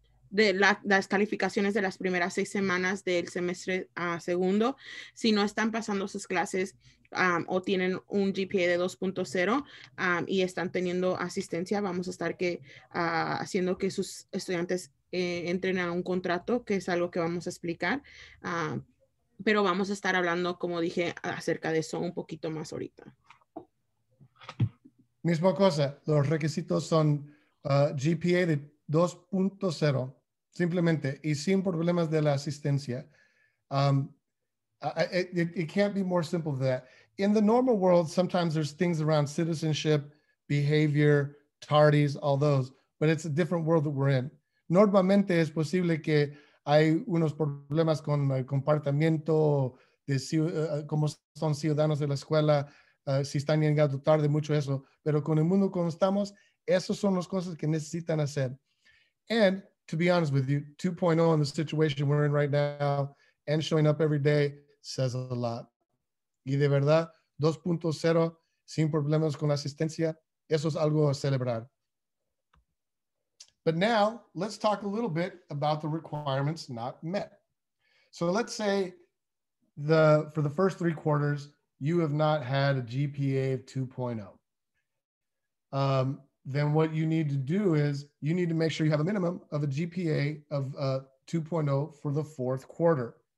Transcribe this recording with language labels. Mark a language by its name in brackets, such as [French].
[Spanish] de las calificaciones de las primeras 6 semanas del semestre segundo, si no están pasando sus clases o tienen un GPA de 2.0 y están teniendo asistencia, vamos a estar haciendo que sus estudiantes entren a un contrato, que es algo que vamos a explicar, pero vamos a estar hablando, como dije, acerca de eso un poquito más ahorita. Misma cosa, los requisitos son GPA de 2.0, simplemente, y sin problemas de la asistencia. [English] It can't be more simple than that. In the normal world, sometimes there's things around citizenship, behavior, tardies, all those, but it's a different world that we're in. [Spanish] Normalmente es posible que hay unos problemas con el comportamiento, cómo son ciudadanos de la escuela, si están llegando tarde, mucho eso. Pero con el mundo como estamos, esas son las cosas que necesitan hacer. [English] And to be honest with you, 2.0 in the situation we're in right now and showing up every day says a lot. [Spanish] Y de verdad, 2.0, sin problemas con asistencia, eso es algo a celebrar. [English] But now, let's talk a little bit about the requirements not met. So let's say for the first three quarters, you have not had a GPA of 2.0. Then what you need to do is you need to make sure you have a minimum of a GPA of 2.0 for the fourth quarter.